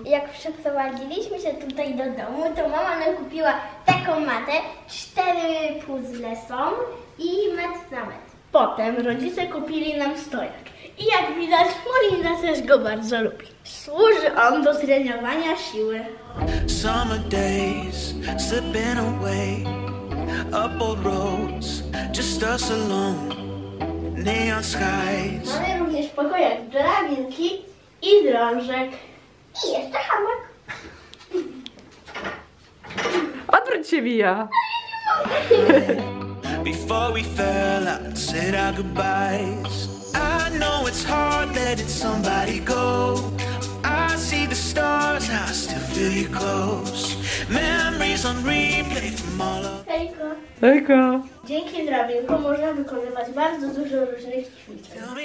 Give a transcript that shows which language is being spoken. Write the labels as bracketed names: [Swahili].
[Polish] Jak przeprowadziliśmy się tutaj do domu, to mama nam kupiła taką matę. 4 puzzle są i met na met. Potem rodzice kupili nam stojak. I jak widać, Molinda też go bardzo lubi. Służy on do treningowania siły. [English] Summer days, slipping away. Up old roads, just us alone. Neon skies. [Polish] Mamy również pokojek, drabinki i drążek. I jeszcze hamak. Odwróć się, Mija. [English] Before we fell, I said our goodbyes. I know it's hard letting somebody go. I see the stars, I still feel you close. Memories on replay from all of... [Polish] Hejko. Hejko. Dzięki drabinku można wykonywać bardzo dużo różnych ćwiczeń.